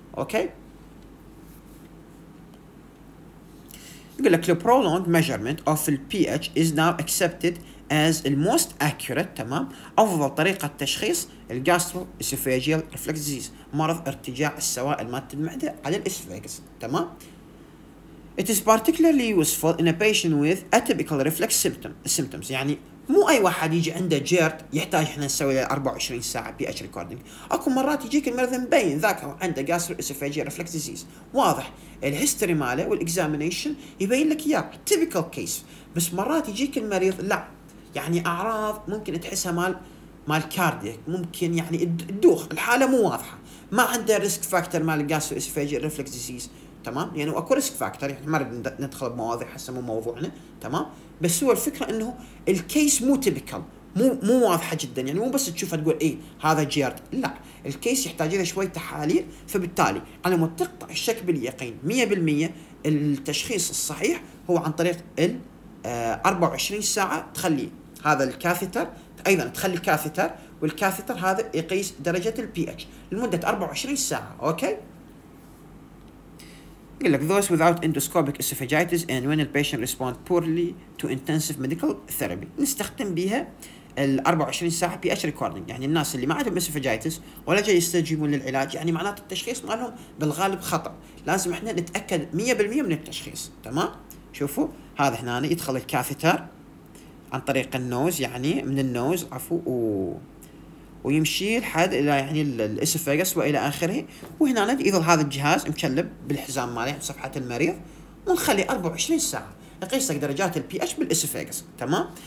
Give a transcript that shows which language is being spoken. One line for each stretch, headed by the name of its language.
Arabic: اوكي يقول لك
English: لو prolong measurement of البي اتش is now accepted as almost accurate,
Arabic: تمام، افضل طريقه تشخيص الجاسترو اسفيجال ريفلكس ديزيز، مرض ارتجاع السوائل مادة المعدة على الاسفاجس، تمام.
English: It is particularly useful in a patient with atypical reflux symptoms.
Arabic: يعني مو أي واحد يجي عنده جيرت يحتاج إحنا نسوي 24 ساعة pH recording. أكو مرات يجيك المرض مبين ذاك عنده gastro esophageal reflux disease، واضح الهيستوري ماله والإكزامينيشن يبين لك إياه typical case. بس مرات يجيك المريض لا، يعني أعراض ممكن تحسها مال كاردييك، ممكن يعني الدوخ، الحالة مو واضحة، ما عنده risk factor مال gastro esophageal reflux disease، تمام، يعني اكو ريسك فاكتور. يعني ما ندخل بمواضيع هسه مو موضوعنا، تمام، بس هو الفكره انه الكيس مو تيبيكال، مو واضحه جدا، يعني مو بس تشوفها تقول اي هذا جيرد، لا الكيس يحتاج له شوي تحاليل. فبالتالي على ما تقطع الشك باليقين 100% التشخيص الصحيح هو عن طريق ال 24 ساعه تخلي هذا الكاثيتر، ايضا تخلي الكاثيتر، والكاثيتر هذا يقيس درجه البي اتش لمده 24 ساعه. اوكي يقول لك
English: those without endoscopic esophagitis and when the patient responds poorly to intensive medical therapy
Arabic: نستخدم بيها ال 24 ساعة
English: pH recording.
Arabic: يعني الناس اللي ما عندهم esophagitis ولا جاي يستجيبون للعلاج، يعني معناته التشخيص مالهم بالغالب خطأ، لازم احنا نتأكد 100% من التشخيص، تمام. شوفوا هذا هنا يدخل الكاثيتر عن طريق النوز، يعني من النوز عفوا، ويمشي لحد الى يعني الاسفاجس والى اخره، وهنا يظل هذا الجهاز مكلب بالحزام مالي على صفحه المريض، ونخلي 24 ساعه يقيس لك درجات البي اتش بالاسفاجس، تمام.